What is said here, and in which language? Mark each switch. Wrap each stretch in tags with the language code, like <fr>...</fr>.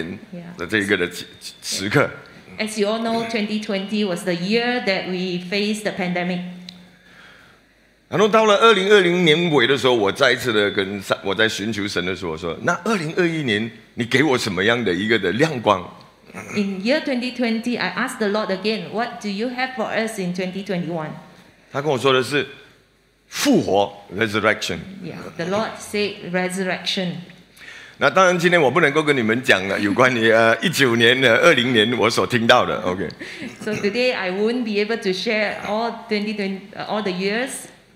<zh>所以我们知道2020就是我们面对了这一个的新冠肺炎的这一个的时刻。</zh> <en>As you all know, 2020 was the year that we faced the pandemic.</en> <zh>然后到了2020年尾的时候，我再一次的跟我在寻求神的时候说，那2021年你给我什么样的一个的亮光？</zh> <en>In year 2020, I asked the Lord again, what do you have for us in 2021?</en> <zh>他跟我说的是复活 resurrection.</zh> <en>Yeah, the Lord said resurrection.</en> <zh>那当然，今天我不能够跟你们讲了有关于19年、20年我所听到的 ，OK。</zh> <en>So today I won't be able to share all 2020 all the years.</en>